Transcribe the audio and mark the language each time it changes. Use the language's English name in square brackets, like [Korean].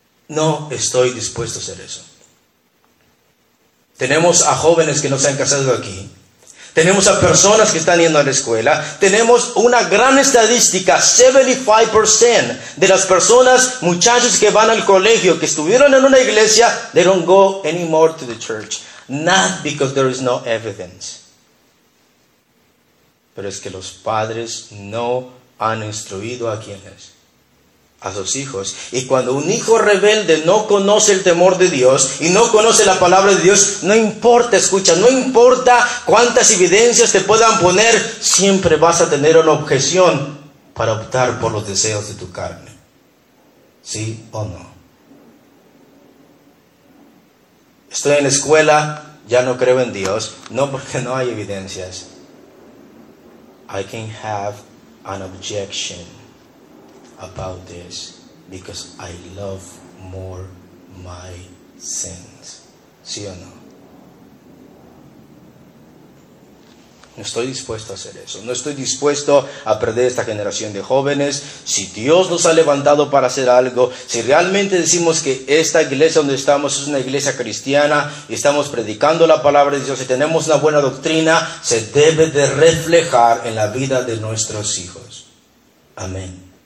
[Spanish] No estoy dispuesto a hacer eso. Tenemos a jóvenes que no se han casado aquí. Tenemos a personas que están yendo a la escuela. Tenemos una gran estadística, 75% de las personas, muchachos que van al colegio, que estuvieron en una iglesia, [English] they don't go anymore to the church. Not because there is no evidence. [Spanish] Pero es que los padres no han instruido a quienes. A sus hijos. Y cuando un hijo rebelde no conoce el temor de Dios y no conoce la palabra de Dios, no importa, escucha, no importa cuántas evidencias te puedan poner, siempre vas a tener una objeción para optar por los deseos de tu carne. ¿Sí o no? Estoy en la escuela, ya no creo en Dios, no porque no hay evidencias. [English] I can have an objection about this because I love more my sins. [Spanish] ¿Sí o no? No estoy dispuesto a hacer eso. No estoy dispuesto a perder esta generación de jóvenes. Si Dios nos ha levantado para hacer algo, si realmente decimos que esta iglesia donde estamos es una iglesia cristiana y estamos predicando la palabra de Dios y tenemos una buena doctrina, se debe de reflejar en la vida de nuestros hijos. Amén.